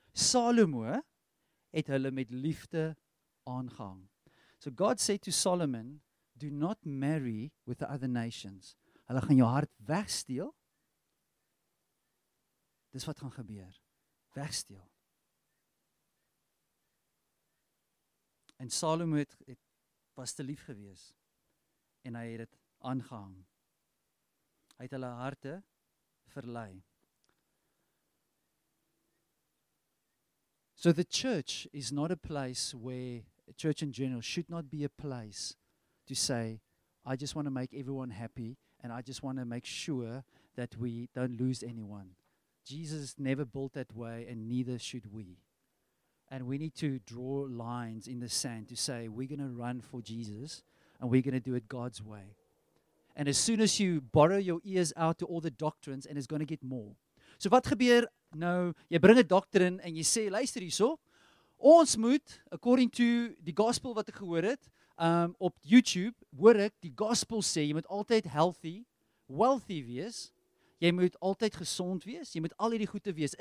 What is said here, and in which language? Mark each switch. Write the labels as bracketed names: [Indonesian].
[Afrikaans] Salomo het hulle met liefde aangehang. [English] So God said to Solomon, do not marry with the other nations. [Afrikaans] Hulle gaan jou hart wegsteel. Dis wat gaan gebeur. Wegsteel. En Salomo het was te lief gewees. En hy het dit aangehang. Hy het hulle harte verlei. [English] So the church is not a place where, a church in general, should not be a place to say, I just want to make everyone happy. And I just want to make sure that we don't lose anyone. Jesus never built that way, and neither should we. And we need to draw lines in the sand to say, we're going to run for Jesus, and we're going to do it God's way. And as soon as you borrow your ears out to all the doctrines, and it's going to get more. [Afrikaans] So wat gebeur nou, jy bring 'n doctrine, en jy sê, luister hierso, ons moet, [English] according to the gospel [Afrikaans] wat ek gehoor het, op YouTube hoor ek die gospel sê, jy moet altyd healthy, wealthy wees, jy moet altyd gesond wees, jy moet al hierdie goede wees.